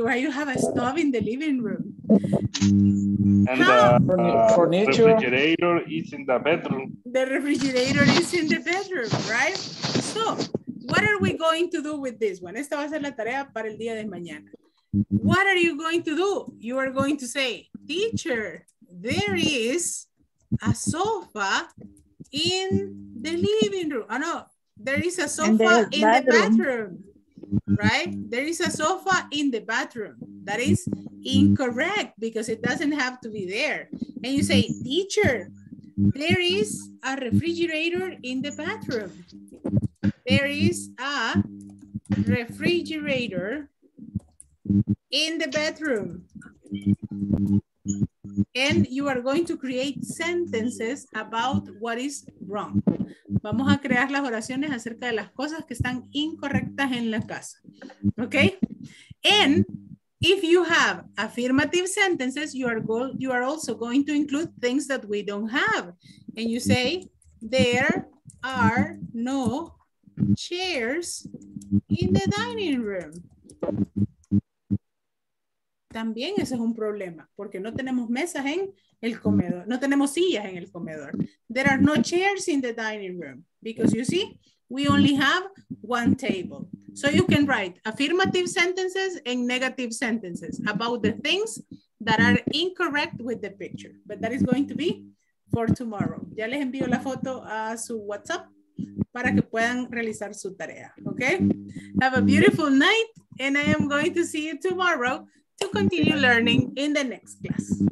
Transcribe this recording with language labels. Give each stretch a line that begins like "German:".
English: Why you have a stove in the living room? And the furniture. Refrigerator is in the bedroom. The refrigerator is in the bedroom, right? So, what are we going to do with this one?
Spanish: Esta va a ser la tarea para el día de mañana.
English: What are you going to do? You are going to say, teacher, there is a sofa in the living room. Oh, no. There is a sofa in the bathroom. Right? There is a sofa in the bathroom. That is incorrect because it doesn't have to be there. And you say, teacher, there is a refrigerator in the bathroom. There is a refrigerator in the bedroom. And you are going to create sentences about what is wrong.
Spanish: Vamos a crear las oraciones acerca de las cosas que están incorrectas en la casa.
English: Okay? And if you have affirmative sentences, you are also going to include things that we don't have. And you say, there are no chairs in the dining room.
Spanish: También ese es un problema, porque no tenemos mesas en el comedor, no tenemos sillas en el comedor.
English: There are no chairs in the dining room, because you see, we only have one table. So you can write affirmative sentences and negative sentences about the things that are incorrect with the picture. But that is going to be for tomorrow.
Spanish: Ya les envío la foto a su WhatsApp para que puedan realizar su tarea,
English: okay? Have a beautiful night, and I am going to see you tomorrow to continue learning in the next class.